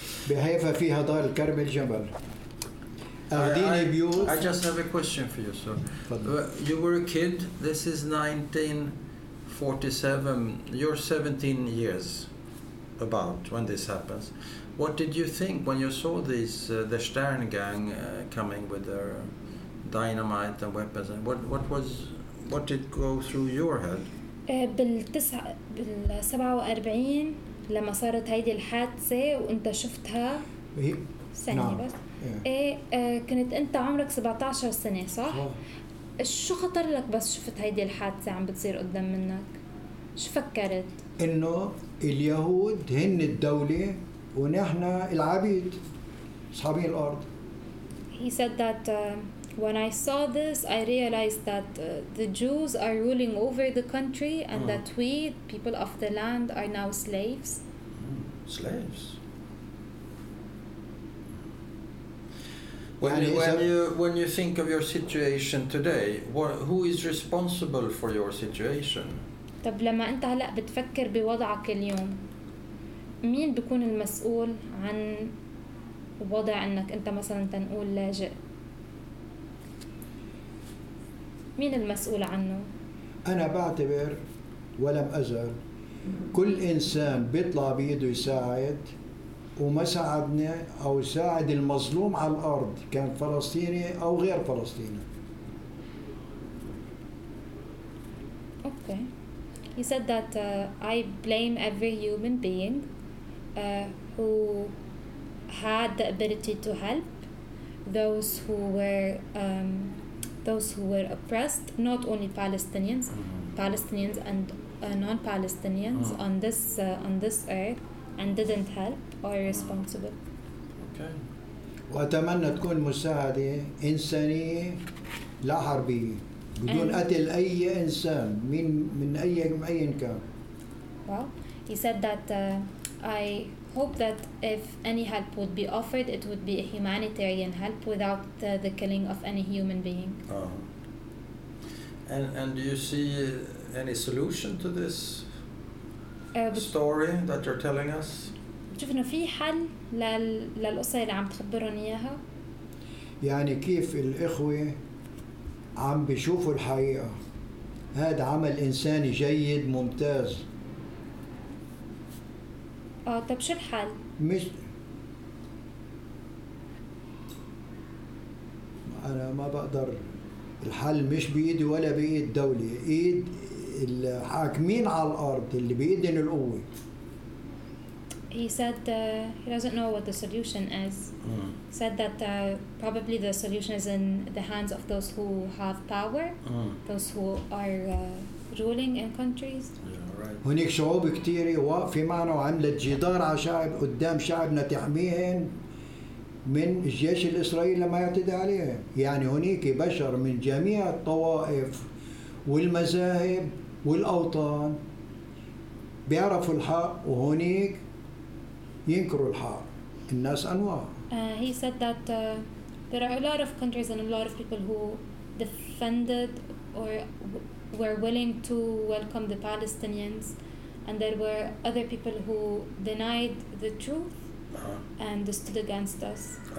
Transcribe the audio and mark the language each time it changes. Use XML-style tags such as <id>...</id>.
<ar>بحيفا فيها دار الكرمل جبل</ar> <en>I just have a question for you, sir. You were a kid. This is 1947. You're 17 years about when this happens. What did you think when you saw these the Stern gang coming with their dynamite and weapons? And what did go through your head?</en> <ar>بال47 لما صارت هيدي الحادثة وانت شفتها ثانية بس كنت انت عمرك 17 سنة صح؟ شو خطر لك بس شفت هيدي الحادثة عم بتصير قدام منك؟ شو فكرت؟ انه اليهود هن الدولة ونحن العبيد اصحابين الارض.</ar> <en>He said that when I saw this, I realized that the Jews are ruling over the country and that we, people of the land, are now slaves. Slaves. When you think of your situation today, who is responsible for your situation?</en> <ar>طب لما انت هلا بتفكر بوضعك اليوم مين بيكون المسؤول عن وضع انك انت مثلا تنقول لاجئ مين المسؤول عنه؟ أنا بعتبر ولم أزل كل إنسان بيطلع بيده يساعد وما ساعدنا أو ساعد المظلوم على الأرض كان فلسطيني أو غير فلسطيني.</ar> <en>Okay. He said that I blame every human being who had the ability to help those who were those who were oppressed, not only Palestinians, Palestinians and non-Palestinians on this earth, and didn't help or are responsible. Okay.</en> <ar>وأتمنى تكون مساعدة إنسانية لا حربية بدون قتل أي إنسان من أي معين كان.</ar> <en>Well, he said that I hope that if any help would be offered, it would be a humanitarian help without the killing of any human being. And do you see any solution to this story that you're telling us?</en> <ar>شفنا في حل للقصة اللي عم تخبرون إياها. يعني كيف الإخوة عم بيشوفوا الحقيقة؟ هذا عمل إنساني جيد ممتاز. طب شو الحل؟ مش أنا ما بقدر الحل مش بإيدي ولا بإيد دولة إيد الحاكمين على الأرض اللي بإيدن القوة.</ar> <en>He said he doesn't know what the solution is. Said that probably the solution is in the hands of those who have power, those who are ruling in countries.</en> <ar>هناك شعوب كتيرة واقفة معنا وعملت جدار على شعب قدام شعبنا تحميهن من الجيش الإسرائيلي لما يعتدي عليهم يعني هناك بشر من جميع الطوائف والمذاهب والأوطان بيعرفوا الحق وهناك ينكروا الحق الناس أنواع.</ar> <en>He said that there are a lot of countries and a lot of people who defended or were willing to welcome the Palestinians, and there were other people who denied the truth and stood against us.</en>